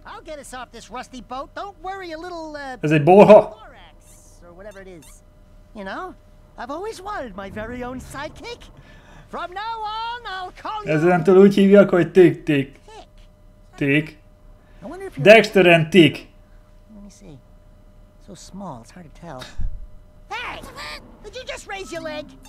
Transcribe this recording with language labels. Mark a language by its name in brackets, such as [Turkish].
[English] I'll get us off this rusty boat. Don't worry, a little, [Hungarian] Ez egy borha? [English] Or whatever it is. You know, I've always wanted my very own sidekick. From now on, I'll call you... [Hungarian] Ezentől úgy hívják, hogy Tick, Tick. [English] Tick. Dexter and Tick. Let me see. So small, it's hard to tell. Hey! Did you just raise your leg?